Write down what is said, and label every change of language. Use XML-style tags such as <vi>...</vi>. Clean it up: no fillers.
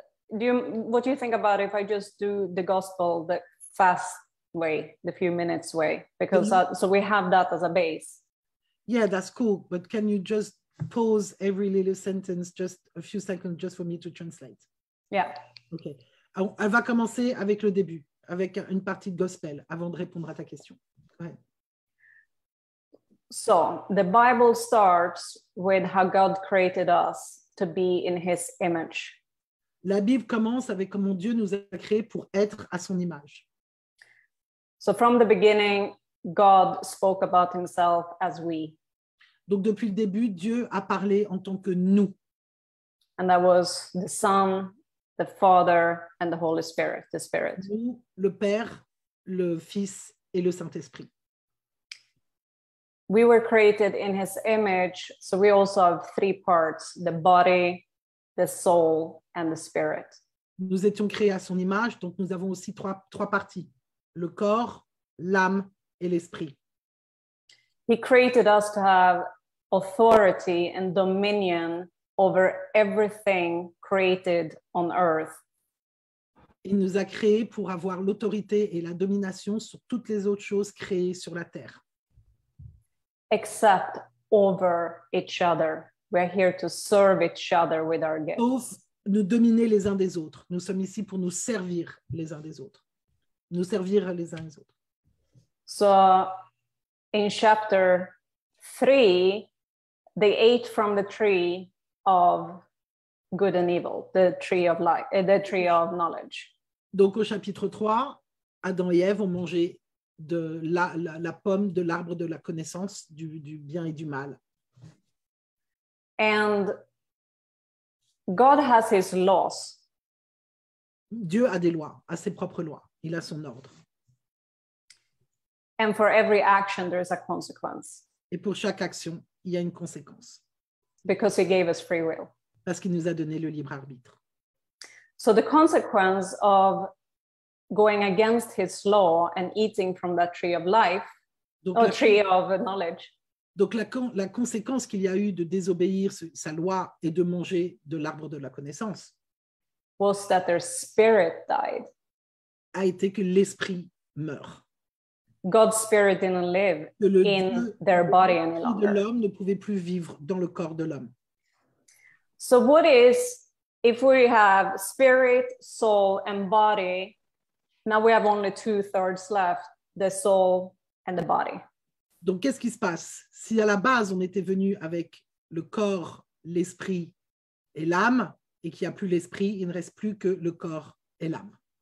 <en>What do you think about if I just do the gospel the fast way, the few minutes way? Because so we have that as a base. Yeah, that's cool. But can you just pause every little sentence, just a few seconds, just for me to translate? Yeah. Okay,</en> <fr>elle va commencer avec le début, avec une partie de gospel, avant de répondre à ta question.</fr> <en>So the Bible starts with how God created us to be in his image.</en> <fr>La Bible commence avec comment Dieu nous a créés pour être à son image.</fr> <en>So from the beginning, God spoke about himself as we.</en> <fr>Donc depuis le début, Dieu a parlé en tant que nous.</fr> <en>And that was the Son, the Father and the Holy Spirit, the Spirit.</en> <fr>Nous, le Père, le Fils et le Saint-Esprit.</fr> <en>We were created in his image, so we also have three parts, the body, the soul, and the spirit.</en> <fr>Nous étions créés à son image, donc nous avons aussi trois parties, le corps, l'âme et l'esprit.</fr> <en>He created us to have authority and dominion over everything created on earth.</en> <fr>Il nous a créés pour avoir l'autorité et la domination sur toutes les autres choses créées sur la terre.</fr> <en>Except over each other. We're here to serve each other with our gifts.</en> <fr>Sauf nous dominer les uns des autres. Nous sommes ici pour nous servir les uns des autres. Nous servir les uns les autres.</fr> <en>So, in chapter 3, they ate from the tree of good and evil, the tree of life, the tree of knowledge.</en> <fr>Donc au chapitre 3, Adam et Ève ont mangé de la pomme de l'arbre de la connaissance du bien et du mal.</fr> <en>And God has his laws.</en> <fr>Dieu a des lois, a ses propres lois. Il a son ordre.</fr> <en>And for every action, there is a consequence.</en> <fr>Et pour chaque action, il y a une conséquence.</fr> <en>Because he gave us free will.</en> <fr>Parce qu'il nous a donné le libre arbitre.</fr> <en>So the consequence of going against his law and eating from that tree of life, or tree of knowledge.</en> <fr>Donc la conséquence qu'il y a eu de désobéir sa loi et de manger de l'arbre de la connaissance</fr> <en>was that their spirit died.</en> <fr>A été que l'esprit meurt.</fr> <en>God's spirit didn't live in their body any longer.</en> <fr>De l'homme ne pouvait plus vivre dans le corps de l'homme.</fr> <en>So what is, if we have spirit, soul, and body, now we have only two thirds left, the soul and the body.</en> <fr>Donc qu'est-ce qui se passe? Si à la base on était venu avec le corps, l'esprit et l'âme, et qu'il n'y a plus l'esprit, il ne reste plus que le corps et l'âme.</fr>